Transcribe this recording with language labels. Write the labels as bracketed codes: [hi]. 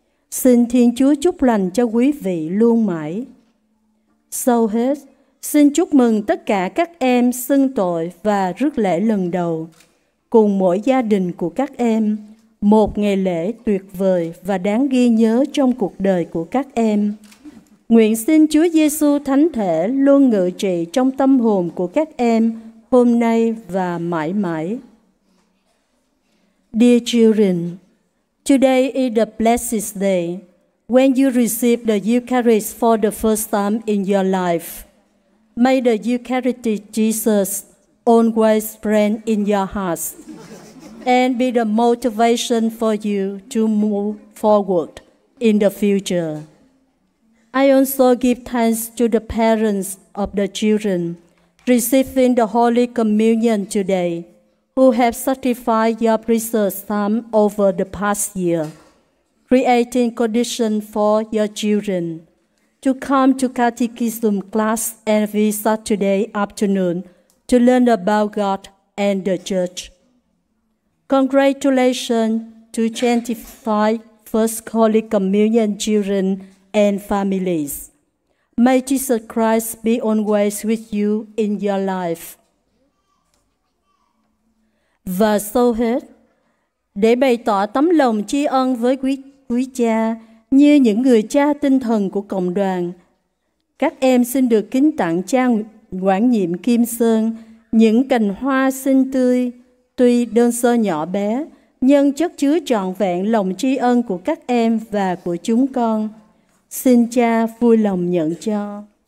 [vi] Xin Thiên Chúa chúc lành cho quý vị luôn mãi. Sau hết, xin chúc mừng tất cả các em xưng tội và rước lễ lần đầu, cùng mỗi gia đình của các em, một ngày lễ tuyệt vời và đáng ghi nhớ trong cuộc đời của các em. Nguyện xin Chúa Giêsu Thánh Thể luôn ngự trị trong tâm hồn của các em hôm nay và mãi mãi. [en] Dear children, today is the blessed day when you receive the Eucharist for the first time in your life. May the Eucharistic Jesus always reign in your heart and be the motivation for you to move forward in the future. I also give thanks to the parents of the children receiving the Holy Communion today who have sacrificed your precious time over the past year, creating conditions for your children to come to catechism class and visit today afternoon to learn about God and the Church. Congratulations to 25 First Holy Communion children and families. May Jesus Christ be always with you in your life. [vi] Và sau hết, để bày tỏ tấm lòng tri ân với quý cha như những người cha tinh thần của cộng đoàn, các em xin được kính tặng cha quản nhiệm Kim Sơn những cành hoa xinh tươi, tuy đơn sơ nhỏ bé, nhưng chất chứa trọn vẹn lòng tri ân của các em và của chúng con. Xin cha vui lòng nhận cho.